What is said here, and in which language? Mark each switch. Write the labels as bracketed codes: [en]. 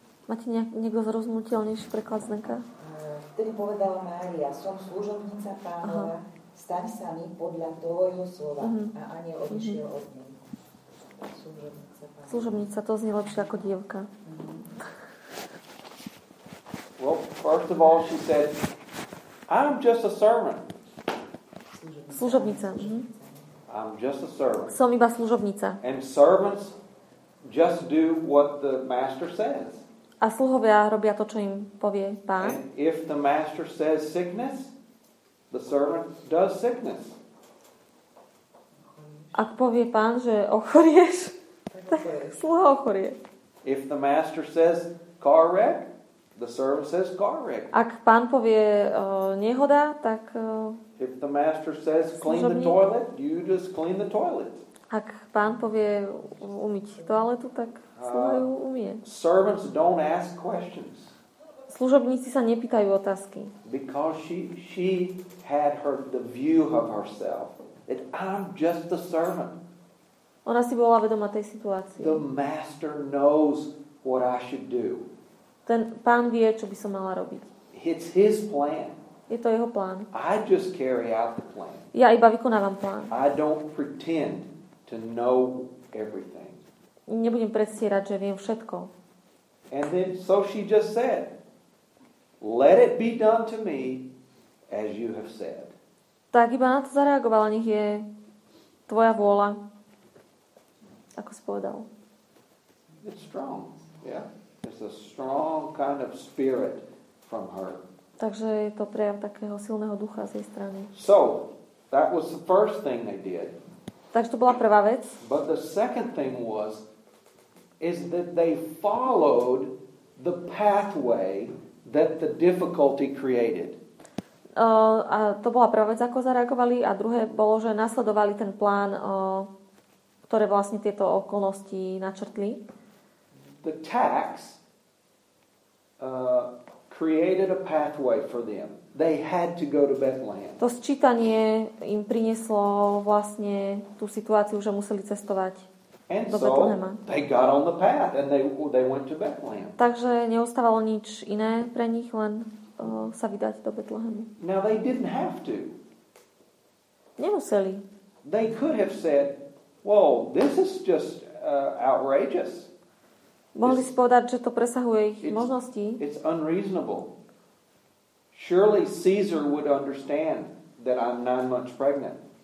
[sk] Máte niekto zrozumiteľnejší preklad Zdenka? Vtedy povedala Mária, som služobnica pánova, aha, staň sa mi podľa tvojho slova. Uh-huh. A aniel odišiel uh-huh. od nej. Služobnica pánova. Služobnica, to znie lepšie ako dievka. [en] Well, first of all, she said, I'm just a servant. [sk] Služobnica. [en] I'm just a servant. [sk] Som iba služobnica. [en] And servants just do what the master says. [sk] A sluhovia robia to, čo im povie pán. [en] And if the master says sickness, the servant does sickness. [sk] Ak povie pán, že ochorieš, tak sluha ochorie. [en] If the master says car wreck, the servant says car wreck. [sk] Ak pán povie nehoda, tak [en] if the master says clean the toilet, you just clean the toilet. [sk] Ak pán povie umyť toaletu, tak sluha ju umie. [en] Servants don't ask questions. [sk] Služobníci sa nepýtajú otázky. [en] Because she had her the view of herself. That I'm just the servant. [sk] Ona si bola vedomá tej situácie. [en] The master knows what I should do. [sk] Ten pán vie, čo by som mala robiť. [en] It's his plan. [sk] Je to jeho plán. [en] I just carry out the plan. [sk] Ja iba vykonávam plán. [en] I don't pretend to know everything. [sk] Nebudem predstierať, že viem všetko. [en] And then, so she just said, let it be done to me as you have said. [sk] Tak iba na to zareagovala, nech je tvoja vôľa, ako si povedal. [en] It's strong, yeah. It's a strong kind of spirit from her. [sk] Takže je to prejav takého silného ducha z jej strany. [en] So, that was the first thing they did. [sk] Takže to bola prvá vec. [en] But the second thing was, is that they followed the pathway that the difficulty created. [sk] A to bola prvá vec, ako zareagovali, a druhé bolo, že nasledovali ten plán, ktoré vlastne tieto okolnosti načrtli. [en] The tax created a pathway for them. They had to go to Bethlehem. [sk] To sčítanie im prinieslo vlastne tú situáciu, že museli cestovať [en] and [sk] do Betlehema. [en] So they got on the path and they went to Bethlehem. [sk] Takže neostávalo nič iné pre nich, len sa vydať do Betlehemu. [en] Now they didn't have to. [sk] Nemuseli. [en] They could have said, well, this is just outrageous. [sk] Mohli si povedať, že to presahuje ich možnosti. [en] It's unreasonable. Surely Caesar would understand that I'm 9 months pregnant.